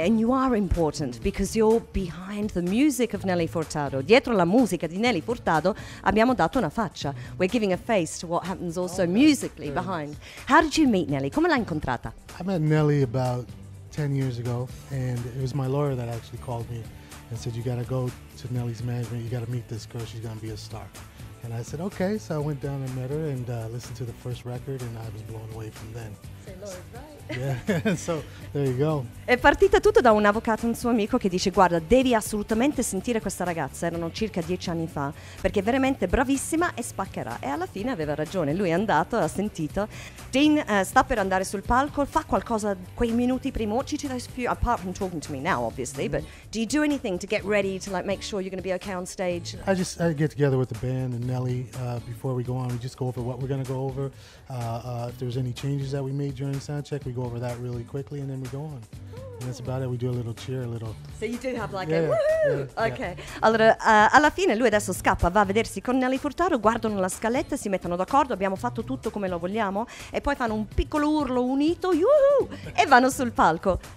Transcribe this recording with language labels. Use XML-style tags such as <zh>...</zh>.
<en>And you are important because you're behind the music of Nelly Furtado.</en> <it>Dietro la musica di Nelly Furtado abbiamo dato una faccia.</it> <en>We're giving a face to what happens also musically behind. How did you meet Nelly?</en> <it>Come l'hai incontrata?</it> <en>I met Nelly about 10 years ago and it was my lawyer that actually called me. And said, you got to go to Nelly's management. You got to meet this girl. She's going to be a star. And I said, okay. So I went down and met her and listened to the first record. And I was blown away from then. Say, Lord, right? Yeah. So there you go.</en> <it>È partita tutto da un avvocato, un suo amico, che dice, guarda, devi assolutamente sentire questa ragazza. Erano circa 10 anni fa. Perché è veramente bravissima e spaccherà. E alla fine aveva ragione. Lui è andato, ha sentito. Dean sta per andare sul palco. Fa qualcosa quei minuti prima.</it> <en>What do you do, apart from talking to me now, obviously. But do you do anything to get ready, to like make sure you're going to be okay on stage? I get together with the band and Nelly before we go on. We just go over what we're going to go over. If there's any changes that we made during soundcheck, we go over that really quickly and then we go on. And that's about it. We do a little cheer, a little. So you do have like a woohoo. Okay.</en> <it>Allora, alla fine lui adesso scappa, va a vedersi con Nelly Furtado, guardano la scaletta, si mettono d'accordo, abbiamo fatto tutto come lo vogliamo, e poi fanno un piccolo urlo unito, woohoo, e vanno sul palco.</it>